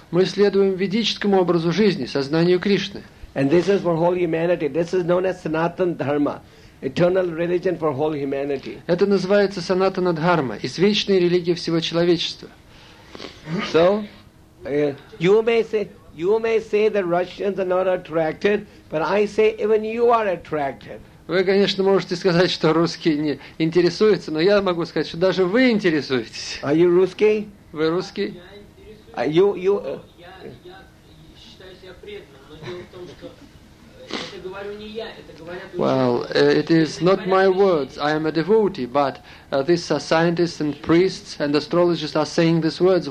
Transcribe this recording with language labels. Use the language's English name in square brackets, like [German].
[Russian] Мы следуем ведическому образу жизни, сознанию Кришны. [English] And this is for whole humanity. This is known as Sanatan Dharma, eternal religion for whole humanity. [Russian] Это называется Санатана Дхарма, извечная религия всего человечества. [English] So, you may say that Russians are not attracted, but I say even you are attracted. [Russian] Вы, конечно, можете сказать, что русские не интересуются, но я могу сказать, что даже вы интересуетесь. [English] Are you русский? [Russian] Вы русский? Я интересуюсь. Я считаю себя преданным, но дело в том, что это говорю не я, это говорят ученые. [English] Well, it is not my words. I am a devotee, but these are scientists and priests and astrologists are saying these words.